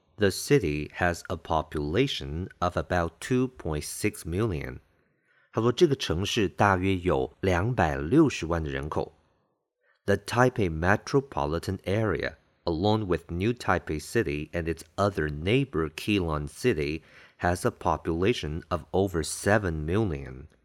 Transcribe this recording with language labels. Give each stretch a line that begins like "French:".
English: The city has a population of about 2.6 million.
Chinese: 他说这个城市大约有260万的人口。
English: The Taipei metropolitan area, along with New Taipei City and its other neighbor Keelung City, has a population of over 7 million.